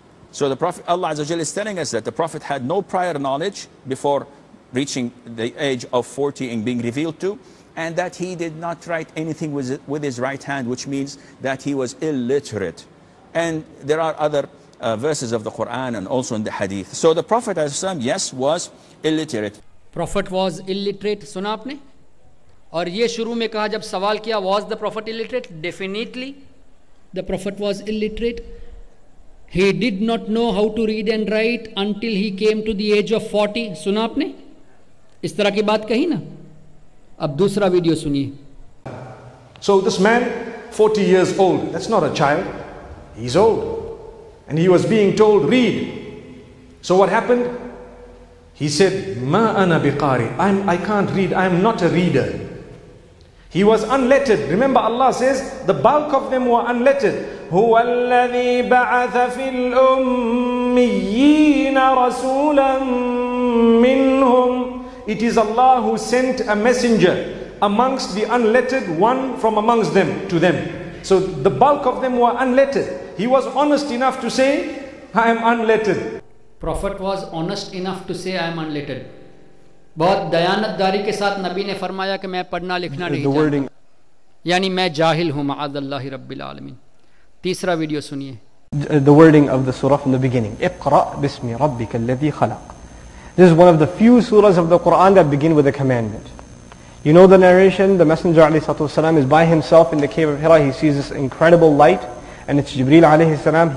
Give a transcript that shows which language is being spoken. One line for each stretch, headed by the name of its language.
English: So the Prophet, Allah Azza wa Jalla is telling us that the Prophet had no prior knowledge before reaching the age of 40 and being revealed to, and that he did not write anything with his right hand, which means that he was illiterate. And there are other verses of the Quran and also in the Hadith. So the Prophet Azza wa Jalla, yes, was illiterate. Prophet was illiterate,
Urdu: suna apne? اور یہ شروع میں کہا جب سوال کیا
English: Was the prophet illiterate, definitely the prophet was illiterate. He did not know how to read and write until he came to the age of 40.
Urdu: سنا آپ نے اس طرح کی بات کہی نا؟ اب دوسرا ویڈیو سنیے.
English: So this man 40 years old, that's not a child, he's old, and he was being told read. So what happened? He said,
Arabic: Ma ana biqari,
English: I can't read, I am not a reader. He was unlettered. Remember, Allah says the bulk of them were unlettered.
Arabic: Huwa alladhi ba'atha fil ummiyina rasulan minhum.
English: It is Allah who sent a messenger amongst the unlettered, one from amongst them to them. So the bulk of them were unlettered. He was honest enough to say, I am unlettered. Prophet was honest enough to say, I am unlettered.
Urdu: بہت دیانتداری کے ساتھ نبی نے فرمایا کہ میں پڑھنا لکھنا نہیں جانتا, یعنی میں جاہل ہوں, معاذ اللہ رب العالمین. تیسرا ویڈیو سنیے.
English: The wording of the surah from the beginning,
Arabic: اقرأ بسم ربك الذي خلق.
English: This is one of the few surahs of the Quran that begin with a commandment. You know the narration, the messenger عليه الصلاة والسلام is by himself in the cave of Hira. He sees this incredible light and it's Jibreel عليه السلام.